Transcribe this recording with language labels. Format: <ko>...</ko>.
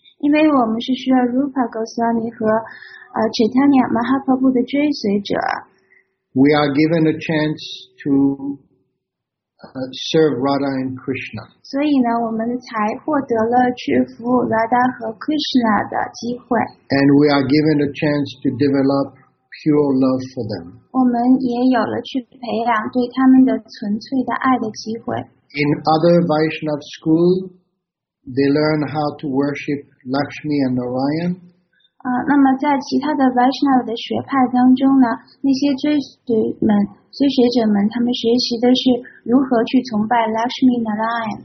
<zh>因为我们是 Srila Rupa Goswami 和 Chaitanya Mahaprabhu 的追随者。</zh> <en>We are given a chance to serve Radha and Krishna.</en> <zh>所以呢，我们才获得了去服务 Radha 和 Krishna 的机会。</zh> <en>And we are given a chance to develop pure love for them.</en> <zh>我们也有了去培养对他们的纯粹的爱的机会。</zh> <en>In other Vaishnava school, they learn how to worship Lakshmi and Narayan.</en> <zh>那么在其他的 Vaishnava 的学派当中呢，那些追随者们，他们学习的是如何去崇拜 Lakshmi and Narayan.</zh>